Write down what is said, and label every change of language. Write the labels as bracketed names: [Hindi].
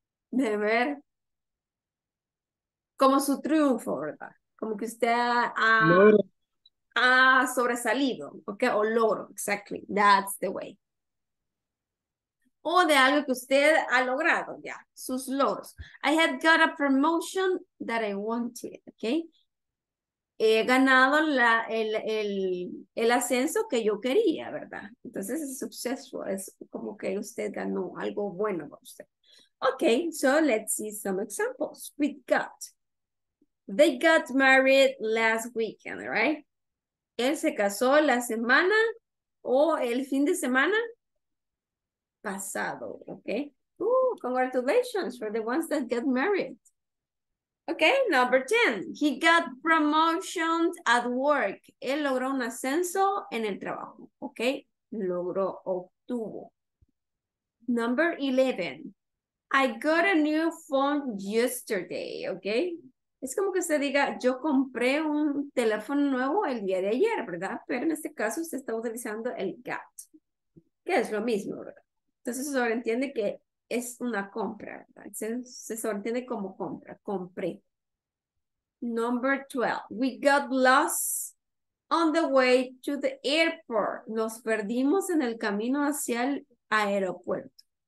[Spanish] De ver como su triunfo, ¿verdad? Como que usted ha sobresalido, ¿ok? [English] O logro, exactly, that's the way. [Spanish] O de algo que usted ha logrado, ya, yeah, sus logros. [English] I had got a promotion that I wanted, ¿ok? [Spanish] He ganado el ascenso que yo quería, ¿verdad? Entonces, es successful. Es como que usted ganó algo bueno para usted. [English] Okay, so let's see some examples. We got. They got married last weekend, right? [Spanish] Él se casó la semana o el fin de semana pasado, okay? [English] Ooh, congratulations for the ones that get married. Okay, number 10. He got promotions at work. [Spanish] Él logró un ascenso en el trabajo. Okay, logró, obtuvo. [English] Number 11. I got a new phone yesterday. [Spanish] Okay, es como que usted diga, yo compré un teléfono nuevo el día de ayer, ¿verdad? Pero en este caso usted está utilizando el got, que es lo mismo, ¿verdad? Entonces se sobreentiende que es una compra, ¿verdad? Se sobreentiende como compra, compré. [English] Number 12. We got lost on the way to the airport. [Spanish] Nos perdimos en el camino hacia el aeropuerto.